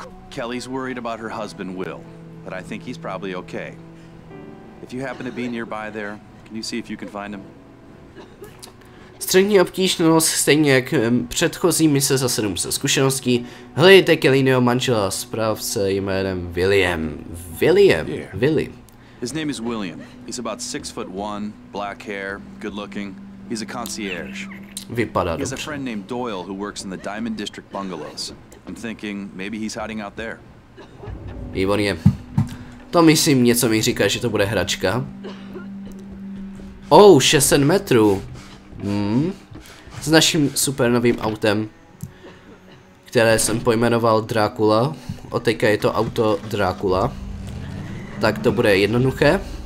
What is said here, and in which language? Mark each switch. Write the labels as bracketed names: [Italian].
[English] Kelly's worried about her husband, Will. but I think he's probably okay. If you happen to be nearby there, can you see if you can find him? [Czech] Střední obtížnost, stejně jak předchozí mise za 700 zkušeností, hledejte Kellyho manžela, správce jménem William. [English] William. His name is William. He's about 6'1", black hair, good looking. He's a concierge. [Czech] Vypadá dobře. [English] He has a friend named Doyle who works in the Diamond District bungalows. I'm thinking maybe he's hiding out there. [Czech] Výborně. To myslím, něco mi říká, že to bude hračka. Oh, 600 metrů. S naším super novým autem, které jsem pojmenoval Drákula. Od teďka je to auto Drákula. Tak to bude jednoduché.